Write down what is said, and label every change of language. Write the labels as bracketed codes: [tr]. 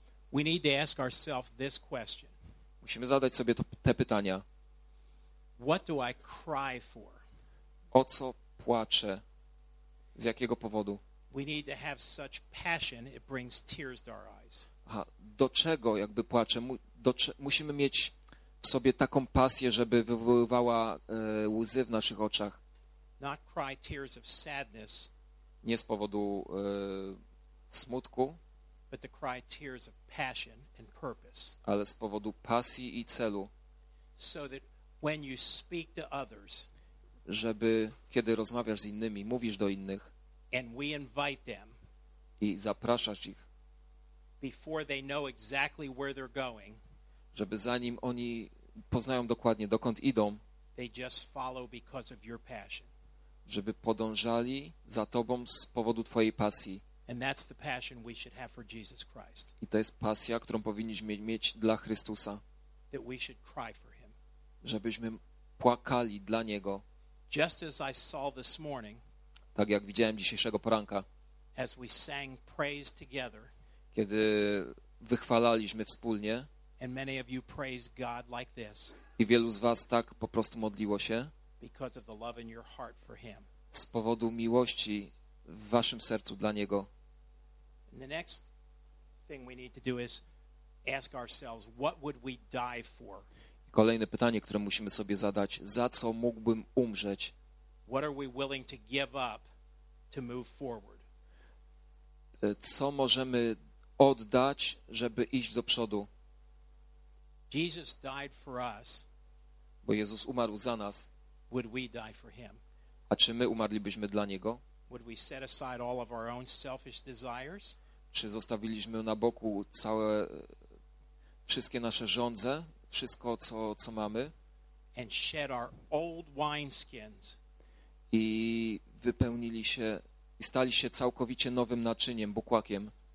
[en] We need to ask ourselves this question. [pl] Musimy zadać sobie te pytania. [en] What do I cry for? [pl] O co płaczę? Z jakiego powodu? [en] We need to have such passion it brings tears to our eyes. [pl] Aha, do czego jakby płaczę? Musimy mieć w sobie taką pasję, żeby wywoływała łzy w naszych oczach. [en] Not cry tears of sadness, [pl] nie z powodu smutku, [en] but to cry tears of passion and purpose, [pl] ale z powodu pasji i celu. [en] So that when you speak to others, [pl] żeby kiedy rozmawiasz z innymi, mówisz do innych, [en] and we invite them, [pl] i zapraszasz ich, [en] before they know exactly where they're going, [pl] żeby zanim oni poznają dokładnie, dokąd idą, [en] they just follow because of your passion, [pl] żeby podążali za tobą z powodu twojej pasji. [en] And that's the passion we should have for Jesus Christ. [pl] I to jest pasja, którą powinniśmy mieć dla Chrystusa. [en] That we should cry for him. [pl] Żebyśmy płakali dla Niego. [en] Just as I saw this morning, [pl] tak jak widziałem dzisiejszego poranka, [en] as we sang praise together, [pl] kiedy wychwalaliśmy wspólnie, [en] and many of you praise God like this, [pl] i wielu z was tak po prostu modliło się, [en] because of the love in your heart for him, [pl] z powodu miłości w waszym sercu dla Niego. [en] And the next thing we need to do is ask ourselves, what would we die for? [pl] Kolejne pytanie, które musimy sobie zadać, za co mógłbym umrzeć? [en] What are we willing to give up to move forward? [pl] Co możemy oddać, żeby iść do przodu? [en] Jesus died for us. [pl] Bo Jezus umarł za nas. [en] Would we die for him? [pl] A czy my umarlibyśmy dla Niego? [en] Would we set aside all of our own selfish desires? [pl] Czy zostawiliśmy na boku całe wszystkie nasze żądze, wszystko, co mamy? [en] And shed our old wineskins. [pl] I wypełnili się i stali się całkowicie nowym naczyniem, bukłakiem.